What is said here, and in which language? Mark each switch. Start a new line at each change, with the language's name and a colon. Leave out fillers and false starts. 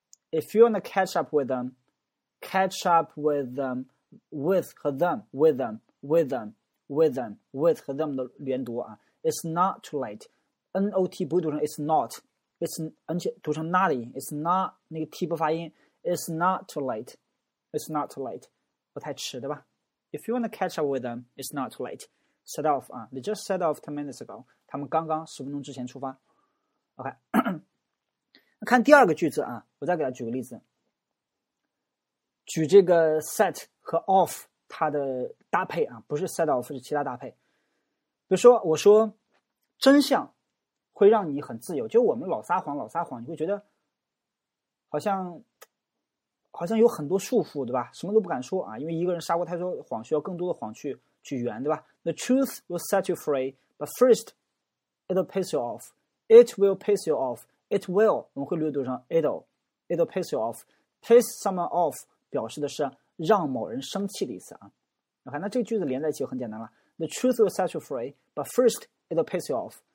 English: If you want to catch up with them, catch up with themwith 和 them, with them, with them, with them, with 和 them
Chinese: 的连读啊
English: ，it's not too late, not
Chinese: 不会读成
English: it's not, it's
Chinese: 而且读成
English: not, it's not
Chinese: 那个 t 不发音
English: ，it's not too late, it's not too late,
Chinese: 不太迟对吧
English: ？If you want to catch up with them, it's not too late, set off 啊 ，they just set off 10 minutes ago,
Chinese: 他们刚刚十分钟之前出发。 OK， 看第二个句子啊，我再给他举个例子。举这个 set 和 off 它的搭配啊，不是 set off 是其他搭配。比如说，我说真相会让你很自由，就我们老撒谎，老撒谎，你会觉得好像有很多束缚，对吧？什么都不敢说啊，因为一个人撒过太多谎，需要更多的谎去圆，对吧 ？
English: The truth will set you free, but first it'll piss you off. It will piss you off. It will
Chinese: 我们会略读成
English: it'll piss you off. Piss someone off.
Chinese: 表示的是让某人生气的意思啊。OK， 那这个句子连在一起就很简单了。
English: The truth will set you free, but first it'll piss you off.